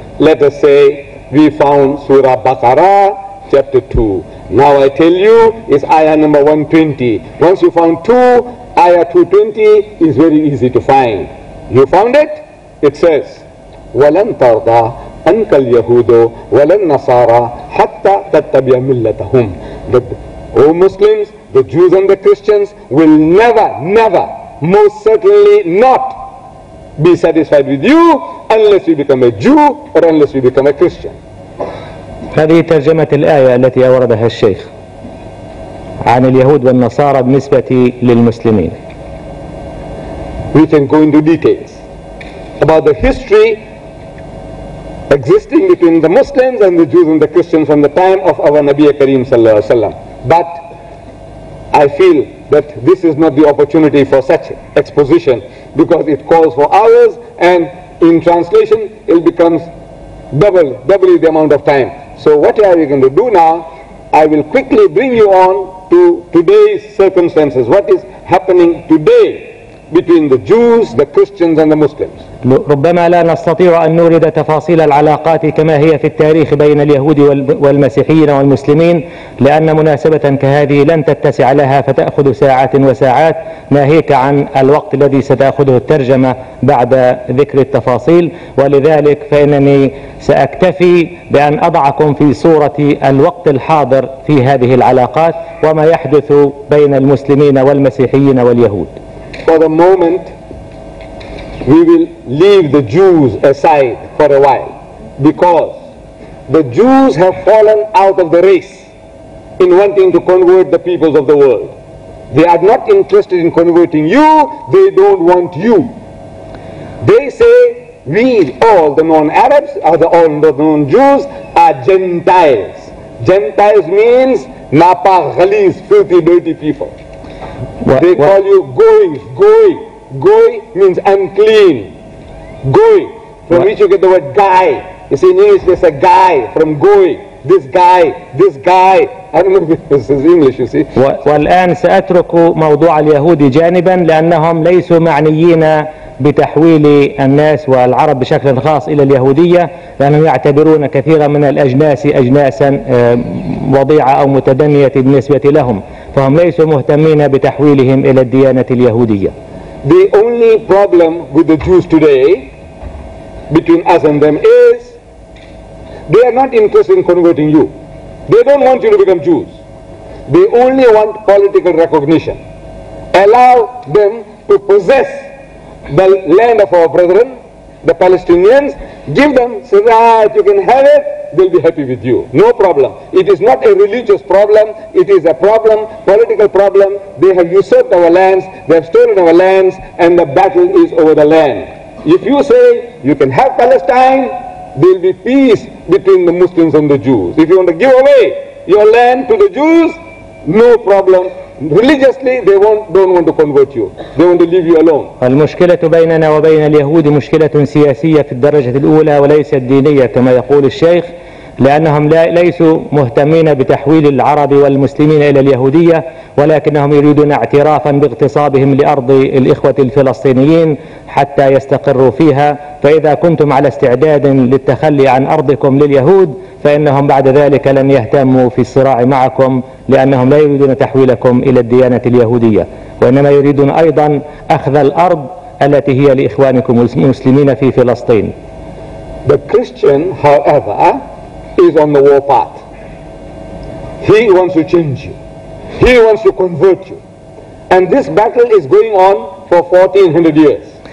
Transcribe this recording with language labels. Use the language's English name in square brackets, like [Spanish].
[English] Let us say we found Surah Baqarah chapter 2. Now I tell you it's ayah number 120. Once you found 2, ayah 220 is very easy to find. You found it? It says [Arabic] وَلَنْ تَرْضَى أَنْكَ الْيَهُودُ وَلَنْ نَصَارَى حَتَّى تَتَّبِيَ مِلَّتَهُمْ. [English] O Muslims, the Jews and the Christians will never, never, most certainly not be satisfied with you unless you become a Jew or unless you become a Christian. [Arabic] هذه ترجمة الآية التي أوردها الشيخ عن اليهود والنصارى بالنسبة للمسلمين. [English] We can go into details about the history existing between the Muslims and the Jews and the Christians from the time of our Nabi Kareem sallallahu alaihi wasallam. But I feel that this is not the opportunity for such exposition because it calls for hours and in translation it becomes doubly the amount of time. So what are we going to do now? I will quickly bring you on to today's circumstances. What is happening today between the Jews, the Christians and the Muslims? [Arabic] ربما لا نستطيع أن نورد تفاصيل العلاقات كما هي في التاريخ بين اليهود والمسيحيين والمسلمين لأن مناسبة كهذه لن تتسع لها فتأخذ ساعات وساعات ناهيك عن الوقت الذي ستأخذه الترجمة بعد ذكر التفاصيل ولذلك فإنني سأكتفي بأن أضعكم في صورة الوقت الحاضر في هذه العلاقات وما يحدث بين المسلمين والمسيحيين واليهود. [English] For the moment we will leave the Jews aside for a while because the Jews have fallen out of the race in wanting to convert the peoples of the world. They are not interested in converting you, they don't want you. They say we, all the non-Arabs, or all the non-Jews are Gentiles. Gentiles means napa, ghaliz, filthy, dirty people. They call you goy. Goy means unclean. Goy, from which you get the word guy. You see, in English they say guy from goy. This guy. I don't know if this is English, you see. [Arabic] والآن سأترك موضوع اليهود جانبا لأنهم ليسوا معنيين بتحويل الناس والعرب بشكل خاص إلى اليهودية لأنهم يعتبرون كثيرا من الأجناس أجناسا وضيعة أو متدنية بالنسبة لهم فهم ليسوا مهتمين بتحويلهم إلى الديانة اليهودية. [English] The only problem with the Jews today, between us and them, is they are not interested in converting you. They don't want you to become Jews. They only want political recognition. Allow them to possess the land of our brethren, the Palestinians. Give them, say that you can have it, they'll be happy with you. No problem. It is not a religious problem. It is a problem, political problem. They have usurped our lands. They have stolen our lands. And the battle is over the land. If you say you can have Palestine, there'll be peace between the Muslims and the Jews. If you want to give away your land to the Jews, no problem. Religiously, they don't want to convert you. They want to leave you alone. [Arabic] المشكلة بيننا وبين اليهود مشكلة سياسية في الدرجة الأولى وليست دينية كما يقول الشيخ لأنهم ليسوا مهتمين بتحويل العرب والمسلمين إلى اليهودية ولكنهم يريدون اعترافا باغتصابهم لأرض الإخوة الفلسطينيين حتى يستقروا فيها فإذا كنتم على استعداد للتخلي عن أرضكم لليهود فإنهم بعد ذلك لن يهتموا في الصراع معكم لأنهم لا يريدون تحويلكم إلى الديانة اليهودية وإنما يريدون أيضا أخذ الأرض التي هي لإخوانكم المسلمين في فلسطين. [English] The Christian, however, is on the war path. He wants to change you. He wants to convert you. And this battle is going on for 1400 years.